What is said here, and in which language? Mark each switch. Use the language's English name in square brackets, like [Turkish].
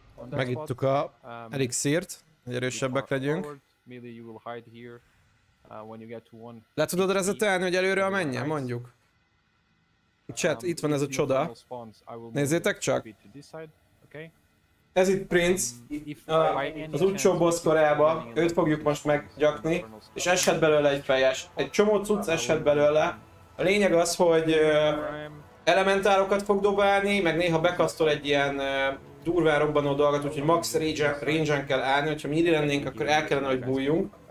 [Hungarian] Megittuk a elixírt, hogy erősebbek legyünk. [English] Melee, you will hide here when you get to one. [Hungarian] Le tudod rezetelni, hogy előre menjen, mondjuk. Chat, itt van ez a csoda. Nézzétek csak. Ez itt Prince, az utcsó boss korába, őt fogjuk most meggyakni, és eshet belőle egy fejes. Egy csomó cucc eshet belőle. A lényeg az, hogy elementárokat fog dobálni, meg néha bekasztol egy ilyen durván robbanó dolgot, úgyhogy max range-en kell állni, hogyha mi idén lennénk, akkor el kellene, hogy bújjunk.